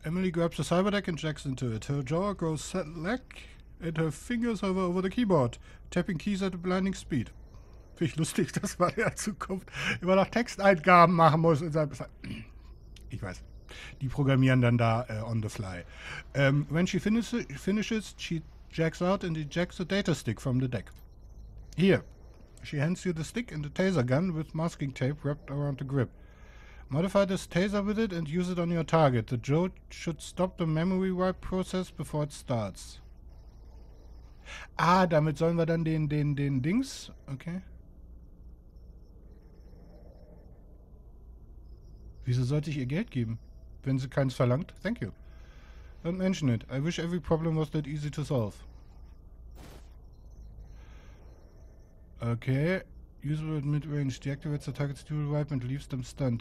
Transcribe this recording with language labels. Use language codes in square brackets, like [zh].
[en] Emily grabs the cyberdeck and jacks into it. Her jaw grows slack and her fingers hover over the keyboard, tapping keys at a blinding speed. [de] Finde ich lustig, dass man in der Zukunft immer noch Texteingaben machen muss. Ich weiß. Die programmieren dann da on the fly. [en] When she finishes, she jacks out and ejects a data stick from the deck. Here. She hands you the stick and a taser gun with masking tape wrapped around the grip. Modify this taser with it and use it on your target. The jolt should stop the memory wipe process before it starts. [de] Ah, damit sollen wir dann den Dings... Okay. Wieso sollte ich ihr Geld geben, wenn sie keins verlangt? [en] Thank you. Don't mention it. I wish every problem was that easy to solve. Okay. Usable at mid-range. Deactivates the target's dual wipe and leaves them stunned.